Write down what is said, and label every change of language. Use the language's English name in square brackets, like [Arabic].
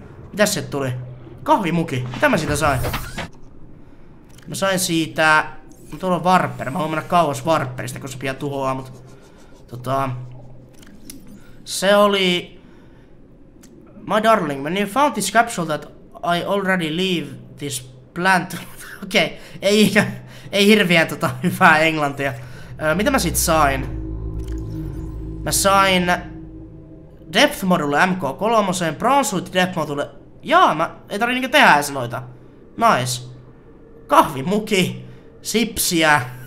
[Finnish] Mitäs sieltä tuli? Kahvimuki. Mitä mä siitä sain? Mä sain siitä... Tuolla on Warper. Mä haluan mennä kauas Warperista, kun se pian tuhoaa, mut... Tota... Se oli... [English] My darling, when you found this capsule that I already leave this plant... [Finnish] Okei, okay. Ei hirveä tota hyvää englantia. Mitä mä sit sain? Mä sain... [English] Depth module MK3, Bronze Suit Depth module... [Finnish] Jaa, mä ei tarvi niinku tehdä ees noita. Nice. Kahvimuki. Sipsiä.